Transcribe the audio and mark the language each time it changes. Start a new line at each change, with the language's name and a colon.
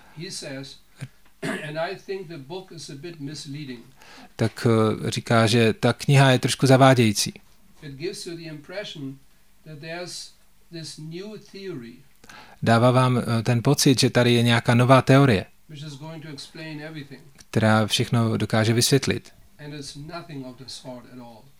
English: He says, and I think the book is a bit misleading.
Czech: Tak říká, že ta kniha je trošku zavádějící.
English: It gives you the impression that there's this new theory.
Czech: Dává vám ten pocit, že tady je nějaká nová teorie,
English: which is going to explain everything.
Czech: Která všechno dokáže vysvětlit.
English: And it's nothing of the sort at all.